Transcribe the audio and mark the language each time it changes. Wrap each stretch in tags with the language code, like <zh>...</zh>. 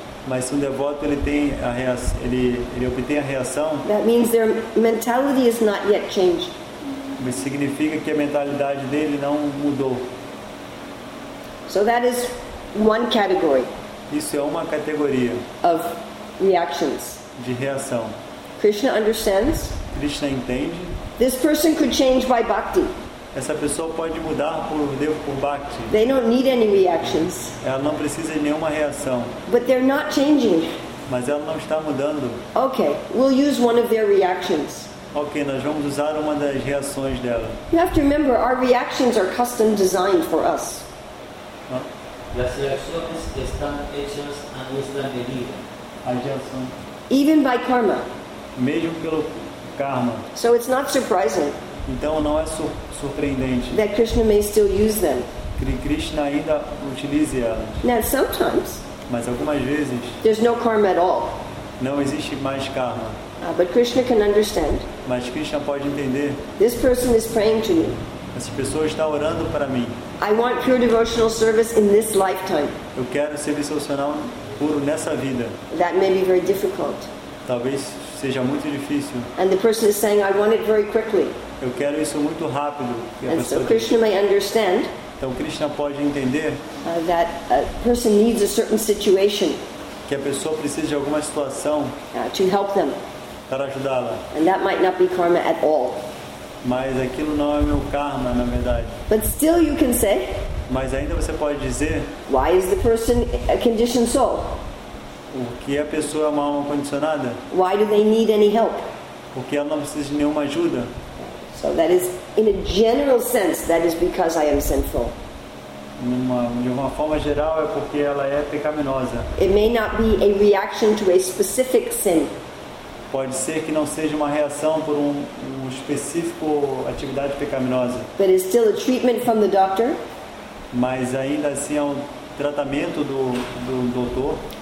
<pt>mas se um devoto ele tem a reação, ele obtém a reação,</pt> <en>that means their mentality is not yet changed.</en> <pt>Mas significa que a mentalidade dele não mudou.</pt> <en>So that is one category.</en> <pt>Isso é uma categoria</pt> <en>of reactions.</en> <pt>De reação.</pt> <en>Krishna understands.</en> <pt>Krishna entende.</pt> <en>This person could change by bhakti.</en> <pt>Essa pessoa pode mudar por bhakti.</pt> <en>They don't need any reactions.</en> <pt>Ela não precisa de nenhuma reação.</pt> <en>But they're not changing.</en> <pt>Mas ela não está mudando.</pt> <en>Okay, we'll use one of their reactions.</en> <pt>Ok, nós vamos usar uma das reações dela.</pt> <en>You have to remember, our reactions are custom designed for us.</en> <pt>As reações estão feitas à nossa medida. As reações.</pt> <en>Even by karma.</en> <pt>Mesmo pelo karma.</pt> <en>So it's not surprising.</en> <pt>Então não é surpreendente.</pt> <en>That Krishna may still use them.</en> <pt>Que Krishna ainda utilize elas.</pt> <en>Now sometimes.</en> <pt>Mas algumas vezes.</pt> <en>There's no karma at all.</en> <pt>Não existe mais karma.</pt> <en>But Krishna can understand.</en> <pt>Mas Krishna pode entender.</pt> <en>This person is praying to me.</en> <pt>Essa pessoa está orando para mim.</pt> <en>I want pure devotional service in this lifetime.</en> <pt>Eu quero serviço devocional puro nessa vida.</pt> <en>That may be very difficult.</en> <pt>Talvez seja muito difícil.</pt> <en>And the person is saying, I want it very quickly.</en> <pt>Eu quero isso muito rápido.</pt> <en>And so Krishna may understand.</en> <pt>Então Krishna pode entender.</pt> <en>That a person needs a certain situation.</en> <pt>Que a pessoa precisa de alguma situação.</pt> <en>To help them.</en> <pt>Para ajudá-la.</pt> <en>And that might not be karma at all.</en> <pt>Mas aquilo não é meu karma, na verdade.</pt> <en>But still you can say.</en> <pt>Mas ainda você pode dizer.</pt> <en>Why is the person a conditioned soul?</en> <pt>Por que a pessoa é uma alma condicionada?</pt> <en>Why do they need any help?</en> <pt>Porque ela não precisa de nenhuma ajuda.</pt> <en>So that is, in a general sense, that is because I am sinful.</en> <pt>De uma forma geral é porque ela é pecaminosa.</pt> <en>It may not be a reaction to a specific sin.</en> <pt>Pode ser que não seja uma reação por um específico atividade pecaminosa.</pt> <en>But it's still a treatment from the doctor.</en> <pt>Mas ainda assim é um tratamento do doutor.</pt>